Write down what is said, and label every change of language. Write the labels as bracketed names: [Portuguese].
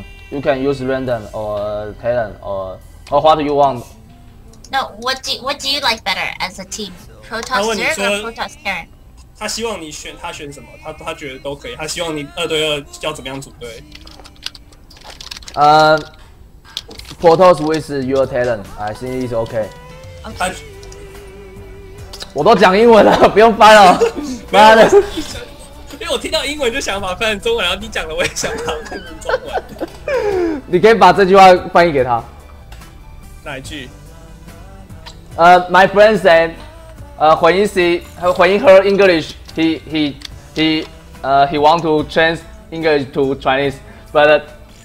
[English] You can use Random or Terran or what do you want? No, what do you like better as a team? Protoss Zerg or Protoss Terran? [Chinese] 他希望你选，他选什么？他觉得都可以。他希望你二对二要怎么样组队？ [English] Portals with your talent, I think it's okay. Okay. [Chinese] 我都讲英文了，不用翻了。妈的！因为我听到英文就想把翻成中文，然后你讲的我也想把翻成中文。你可以把这句话翻译给他。哪一句？ [English] My friend said, when he see, when he heard English, he want to change English to Chinese, but.